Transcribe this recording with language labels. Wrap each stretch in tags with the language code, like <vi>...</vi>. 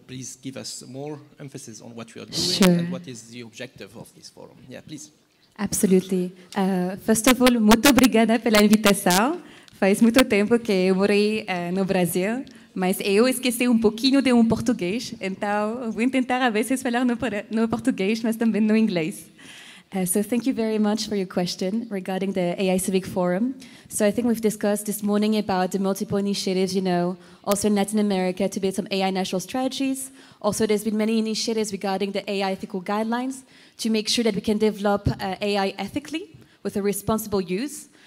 <en>Please give us more emphasis on what we are doing. Sure. And what is the objective of this forum. Yeah, please. Absolutely. First of all,</en> <pt>muito obrigada pela invitação. Faz muito tempo que eu morei no Brasil, mas eu esqueci pouquinho de português, então vou tentar a vezes falar no português, mas também no inglês.</pt> <en>So thank you very much for your question regarding the AI Civic Forum. So I think we've discussed this morning about the multiple initiatives, you know, also in Latin America to build some AI national strategies. Also, there's been many initiatives regarding the AI ethical guidelines to make sure that we can develop AI ethically with a responsible use.</en>